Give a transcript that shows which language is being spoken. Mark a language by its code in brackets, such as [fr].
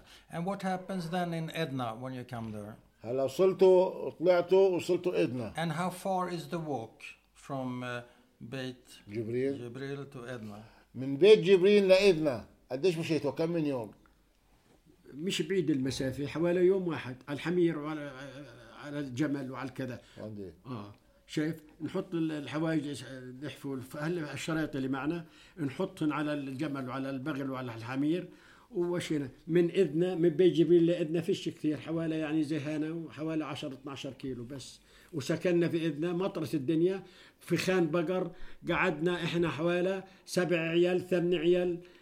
[en] And what happens then in Edna when you come there? [ar] هلا وصلتوا طلعتوا وصلتوا إدنا. [en] And how far is the walk from Beit Jibril. Jibril to Edna? [ar] من بيت جبريل لإدنا قديش مشيتوا كم من يوم؟ مش بعيد المسافة حوالي يوم واحد على الحمير وعلى الجمل وعلى كذا. عندي. شايف نحط الحوايج نحفو الشرايط اللي معنا نحطهم على الجمل وعلى البغل وعلى الحمير ووشينا من إذنا من بيت جبريل لإذنا فيش كثير حوالي يعني زي هنا وحوالي 10-12 كيلو بس وسكننا في إذنا مطرس الدنيا في خان بقر قعدنا إحنا حوالي 7 عيال 8 عيال